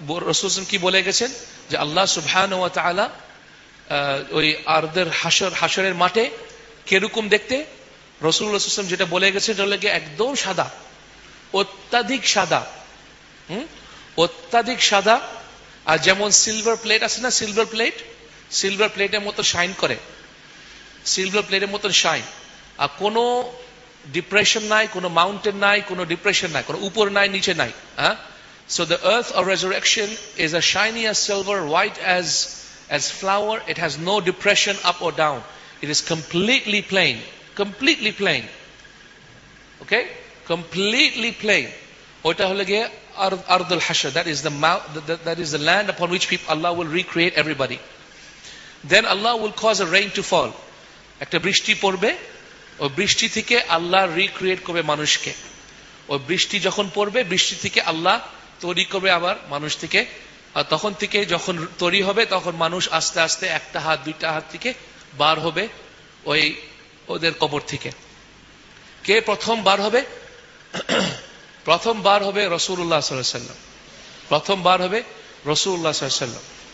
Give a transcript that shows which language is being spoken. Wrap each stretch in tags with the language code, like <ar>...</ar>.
<bn>রাসূল কি বলে গেছেন যে আল্লাহ সুবহানাহু ওয়া তাআলা ওই আরদের হাশরের মাঠে কিরকম দেখতে, রাসূল যেটা বলে গেছেন একদম সাদা, অত্যাধিক সাদা, অত্যাধিক সাদা। আর যেমন সিলভার প্লেট আছে না, সিলভার প্লেটের মতো শাইন করে, সিলভার প্লেটের মতো শাইন। আর কোনো ডিপ্রেশন নাই, কোনো মাউন্টেন নাই, কোনো ডিপ্রেশন নাই, কোনো উপর নাই, নিচে নাই।</bn> <en>হ্যাঁ, So the earth of resurrection is as shiny as silver, white as flour. It has no depression up or down. It is completely plain. Completely plain. Okay? Completely plain.</en> <bn>Ota hole ge ardul hashr.</bn> <en>That is the land upon which people, Allah will recreate everybody. Then Allah will cause a rain to fall.</en> <bn>Ekta brishti porbe. O brishti thike Allah recreate korbe manushke. O brishti jokhon porbe, brishti thike Allah তৈরি করবে আবার মানুষ থেকে। আর তখন থেকে যখন তৈরি হবে তখন মানুষ আস্তে আস্তে একটা হাত দুইটা হাত থেকে বার হবে ওই ওদের কবর থেকে। কে প্রথম বার হবে? প্রথমবার হবে রাসূলুল্লাহ সাল্লাল্লাহু আলাইহি সাল্লাম। প্রথমবার হবে রাসূলুল্লাহ সাল্লাল্লাহু আলাইহি সাল্লাম।</bn>